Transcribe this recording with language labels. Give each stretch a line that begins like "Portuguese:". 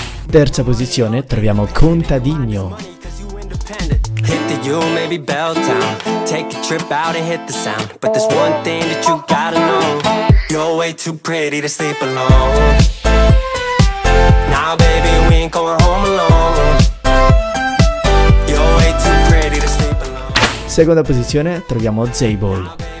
Italian: Terza posizione troviamo Contadino.
English: Hit the U, maybe Belltown. Take a trip out and hit the sound. But there's one thing that you gotta know. You're way too pretty to sleep alone. Now, baby, we ain't going home alone. You're way too pretty to sleep alone.
Italian: Seconda posizione, troviamo Zabel.